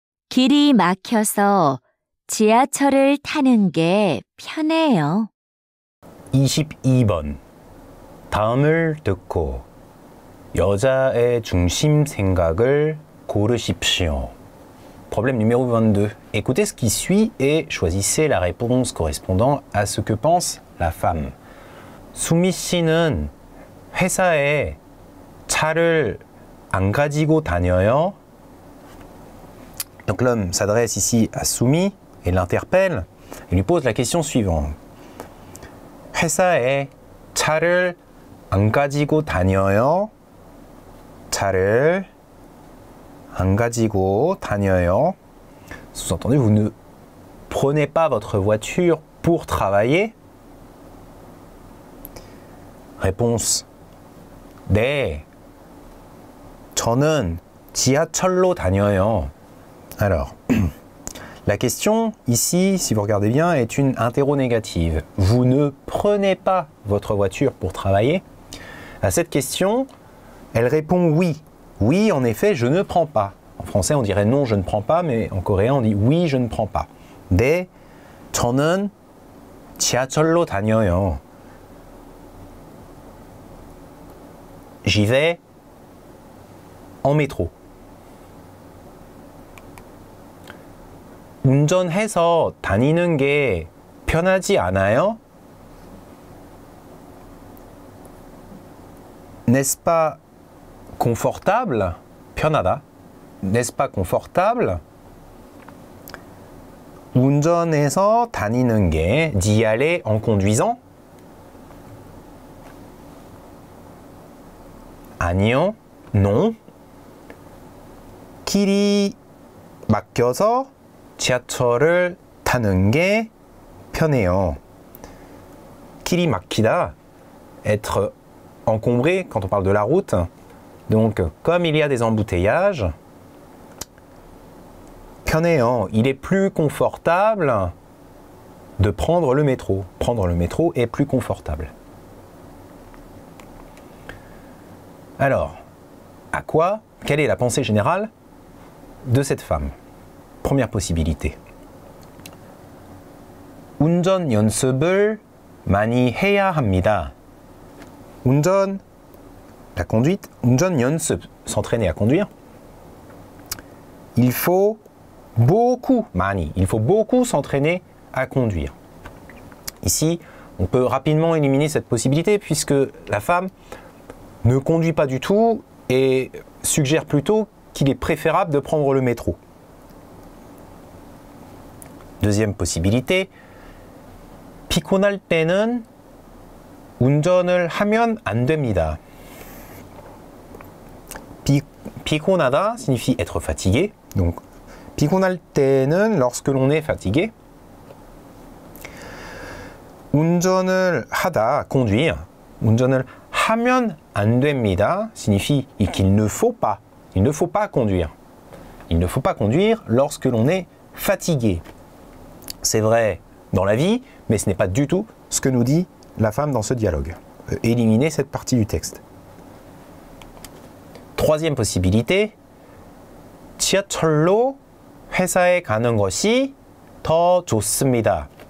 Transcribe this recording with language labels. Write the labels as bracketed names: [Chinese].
[Korean] 길이 막혀서 지하철을 타는 게 편해요. 22번. 다음을 듣고 여자의 중심 생각을 고르십시오. [French] Problème numéro 22. Écoutez ce qui suit et choisissez la réponse correspondant à ce que pense la femme. [Korean] 수미 씨는 회사에 차를 안 가지고 다녀요? [French] Donc l'homme s'adresse ici à Soumi et l'interpelle et lui pose la question suivante. [Korean] 회사에 차를 안 가지고 다녀요? 차를 안 가지고 다녀요? [French] Sous-entendu, vous ne prenez pas votre voiture pour travailler? Réponse. [Korean] 네, 저는 지하철로 다녀요. [French] Alors, la question ici, si vous regardez bien, est une interro-négative. Vous ne prenez pas votre voiture pour travailler? À cette question, elle répond oui. Oui, en effet, je ne prends pas. En français, on dirait non, je ne prends pas, mais en coréen, on dit oui, je ne prends pas. [Korean] 네, 저는 지하철로 다녀요. [French] J'y vais en métro. [Korean] 운전해서 다니는 게 편하지 않아요? [French] N'est-ce pas confortable? [Korean] 편하다. [French] N'est-ce pas confortable? [Korean] 운전해서 다니는 게 [French] d'y aller en conduisant? [Korean] 아니요. [French] Non. [Korean] 길이 막혀서 지하철을 타는 게 편해요. 길이 막히다, [French] être encombré quand on parle de la route. Donc, comme il y a des embouteillages, [Korean] 편해요, [French] il est plus confortable de prendre le métro. Prendre le métro est plus confortable. Alors, à quoi, quelle est la pensée générale de cette femme ? Première possibilité. [Korean] 운전 연습을 많이 해야 합니다. [French] 운전, la conduite, [Korean] 운전 연습, [French] s'entraîner à conduire. Il faut beaucoup s'entraîner à conduire. Ici, on peut rapidement éliminer cette possibilité puisque la femme ne conduit pas du tout et suggère plutôt qu'il est préférable de prendre le métro. Deuxième possibilité, [Korean] 피곤할 때는 운전을 하면 안 됩니다. [French] 피곤하다 signifie être fatigué. Donc, [Korean] 피곤할 때는 [French] lorsque l'on est fatigué. [Korean] 운전을 하다, conduire. 운전을 하면 안 됩니다 [French] signifie qu'il ne faut pas. Il ne faut pas conduire. Il ne faut pas conduire lorsque l'on est fatigué. C'est vrai dans la vie, mais ce n'est pas du tout ce que nous dit la femme dans ce dialogue. Éliminer cette partie du texte. Troisième possibilité. [Korean] 지하철로 회사에 가는 것이 더 좋습니다.